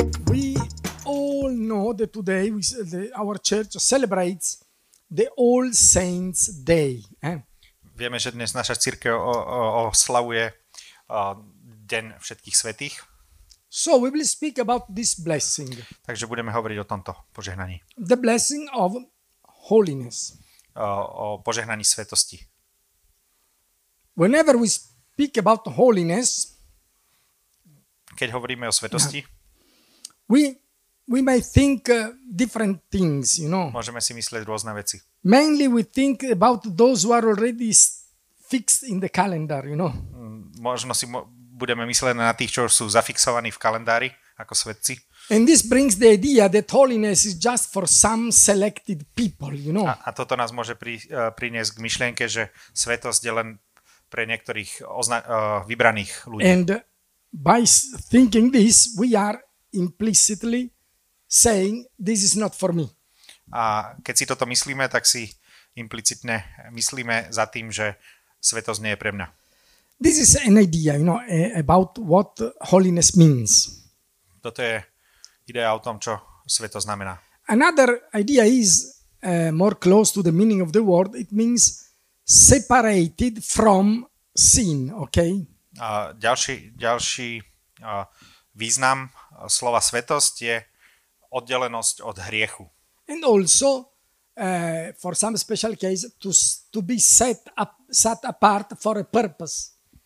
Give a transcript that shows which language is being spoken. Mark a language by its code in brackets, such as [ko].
[en] We all know that today our church celebrates the All Saints Day. [sk] Vieme, že dnes naša cirkev oslavuje deň všetkých svätých. [en] So we will speak about this blessing. [sk] Takže budeme hovoriť o tomto požehnaní. [en] The blessing of holiness. [sk] O požehnaní svätosti. [en] Whenever we speak about holiness, [sk] keď hovoríme o svätosti, [en] we may think different things, you know. [sk] Môžeme si myslieť rôzne veci. [en] Mainly we think about those who are already fixed in the calendar, you know. [sk] Možno si budeme myslieť na tých, čo sú zafixovaní v kalendári ako svätci. [en] And this brings the idea that holiness is just for some selected people, you know. [sk] A toto nás môže priniesť k myšlienke, že svätosť je len pre niektorých vybraných ľudí. [en] And by thinking this, we are implicitly saying this is not for me. [sk] A keď si toto myslíme, tak si implicitne myslíme za tým, že svätosť nie je pre mňa. [en] This is an idea, you know, about what holiness means. [sk] Toto je idea o tom, čo svätosť znamená. [en] Another idea is more close to the meaning of the word. It means separated from sin, okay? [sk] A ďalší význam slova svätosť je oddelenosť od hriechu. [en] And also for some special case to be set apart for a purpose.